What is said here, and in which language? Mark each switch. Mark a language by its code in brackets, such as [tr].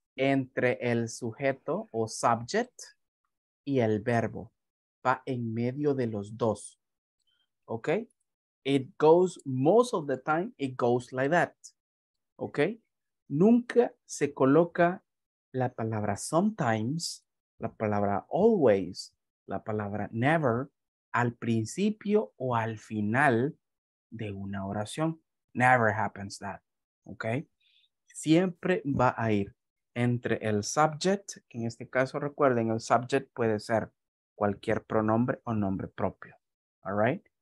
[es] Entre el sujeto o subject y el verbo. Va en medio de los dos. Okay? [en] It goes, most of the time, it goes like that. Okay? [es] nunca se coloca la palabra sometimes, la palabra always, la palabra never al principio o al final de una oración. [en] Never happens that, [es] ¿ok? Siempre va a ir entre el subject, que en este caso recuerden, el subject puede ser cualquier pronombre o nombre propio, [en] all right?